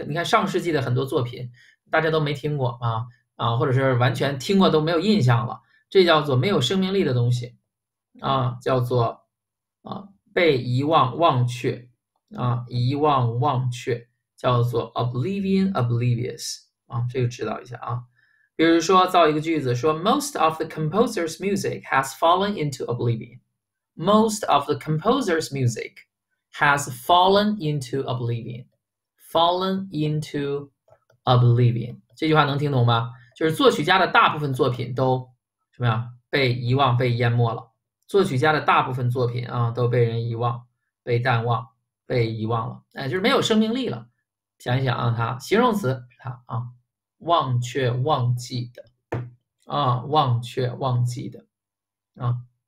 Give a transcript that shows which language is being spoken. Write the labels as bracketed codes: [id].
[zh] 你看上世纪的很多作品，大家都没听过啊，或者是完全听过都没有印象了，这叫做没有生命力的东西啊，叫做被遗忘、忘却。啊，遗忘忘却叫做 oblivion oblivious 啊，这个知道一下啊。比如说造一个句子，说 [en] most of the composer's music has fallen into oblivion。 most of the composer's music has fallen into oblivion。 fallen into oblivion [zh] 这句话能听懂吗？就是作曲家的大部分作品都什么呀？被遗忘、被淹没了。作曲家的大部分作品啊，都被人遗忘、被淡忘。被遗忘了，哎，就是没有生命力了。想一想啊，它形容词是它啊，忘却、忘记的啊，忘却、忘记的啊。